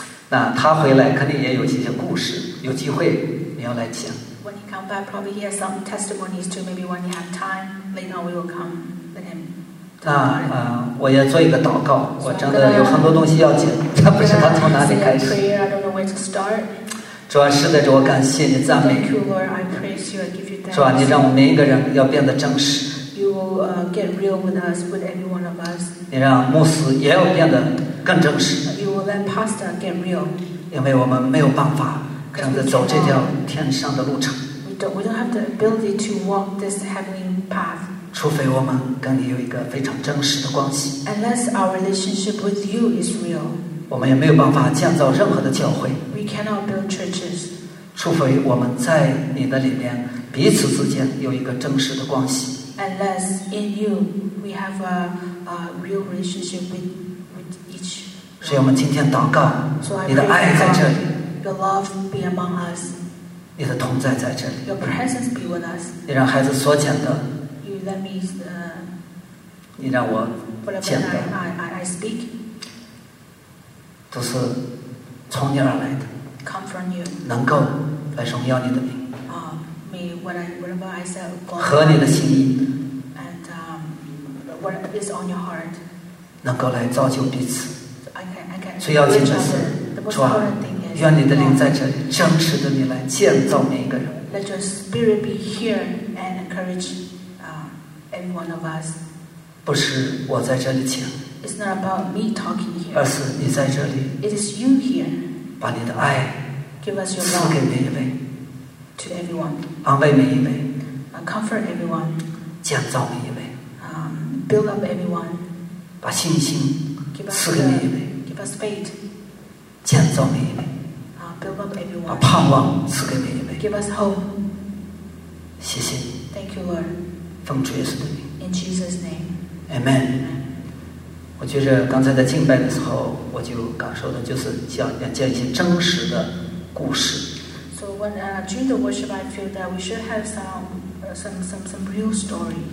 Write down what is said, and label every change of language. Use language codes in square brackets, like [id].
[zh] 那他回来肯定也有些故事，有机会你要来讲。 [en] When he comes back, probably he has some testimonies too. Maybe when you have time, later on we will come with him. [zh] 那我要做一个祷告，我真的有很多东西要讲，但不知道从哪里开始。 [en] Prayer, I don't know where to start. [zh] 主啊，是的，主，我感谢你，赞美。 [en] Thank you, Lord. I praise you. I give you thanks. [zh] 主啊，你让我们每一个人要变得真实。 [en] You will get real with us, with every one of us. [zh] 你让牧师也要变得更真实。 [en] You will let pastor get real. [zh] 因为我们没有办法。这样子走这条天上的路程， [en] we don't have the ability to walk this heavenly path， [zh] 除非我们跟你有一个非常真实的关系。 [en] Unless our relationship with you is real， [zh] 我们也没有办法建造任何的教会。 [en] We cannot build churches， [zh] 除非我们在你的里面彼此之间有一个真实的关系。 [en] Unless in you we have a real relationship with each， [zh] 所以我们今天祷告， [en] so、 [zh] 你的爱在这里。 [en] Your love be among us. [zh] 你的同在在这里。 [en] Your presence be with us. [zh] 你让孩子所捡的。 [en] You let me. [zh] 你让我捡的。 [en] I speak. [zh] 都是从你而来的。 [en] Come from you. [zh] 能够来荣耀你的名。 [en] May whatever I say go. [zh] 合你的心意。 [en] And what is on your heart. [zh] 能够来造就彼此。 [en] I can. [zh] 最要紧的是，主啊。愿你的灵在这里，真实的你来建造每一个人。 [en] Let your spirit be here and encourage every one of us. [zh] 不是我在这里讲。 [en] It's not about me talking here. [zh] 而是你在这里。 [en] It is you here. [zh] 把你的爱。 [en] Give us your love. [zh] 赐给每一位。 [en] To everyone. [zh] 安慰每一位。 [en] Comfort everyone. [zh] 建造每一位。 [en] Build up everyone. [zh] 把信心赐给每一位。 [en] Give us faith. [zh] 建造每一位。 [en] Build up everyone. [zh] 把盼望赐给每一位。 [en] Give us hope. [zh] 谢谢。 [en] Thank you, Lord. [zh] 奉主耶稣的名。 [en] In Jesus' name. Amen. [zh] 我觉得刚才在敬拜的时候，我就感受的就是要讲一些真实的故事。 [en] So when during the worship, I feel that we should have some real stories.